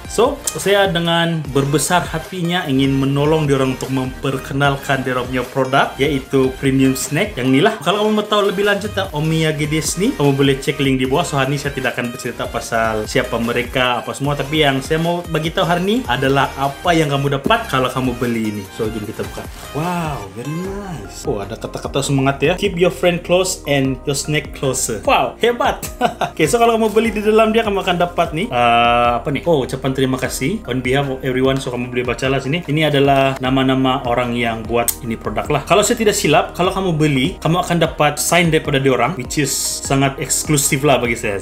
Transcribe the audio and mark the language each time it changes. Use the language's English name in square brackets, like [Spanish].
[Malay] So, saya dengan berbesar hatinya ingin menolong diorang untuk memperkenalkan diorang punya produk, yaitu Premium Snack yang inilah. Kalau kamu mau tahu lebih lanjut tentang Omiyagi Desu ini, kamu boleh cek link di bawah. So, hari ini saya tidak akan bercerita pasal siapa mereka, apa semua. Tapi yang saya mau bagi tahu hari ini adalah apa yang kamu dapat kalau kamu beli ini. So, jom kita buka. [English] Wow, very nice. [Malay] Oh, ada kata-kata semangat ya. [English] Keep your friend close and your snack closer. [Malay] Wow, hebat. Okay, so kalau kamu beli di dalam dia, kamu akan dapat nih. Oh, ucapan terima kasih. [English] On behalf of everyone, [Malay] so kamu boleh bacalah sini. Ini adalah nama-nama orang yang buat ini produk lah. Kalau saya tidak silap, kalau kamu beli, kamu akan dapat sign daripada diorang, [English] which is [Malay] sangat eksklusif lah bagi saya.